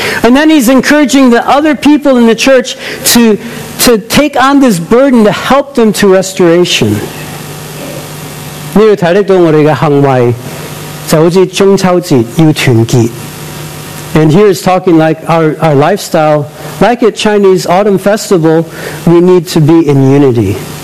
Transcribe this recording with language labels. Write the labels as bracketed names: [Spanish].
[English] And then he's encouraging the other people in the church to take on this burden to help them to restoration. [Chinese] 这里提到我们的行为就好像中秋节要团结。 [English] And here is talking like our lifestyle, like at Chinese Autumn Festival, we need to be in unity.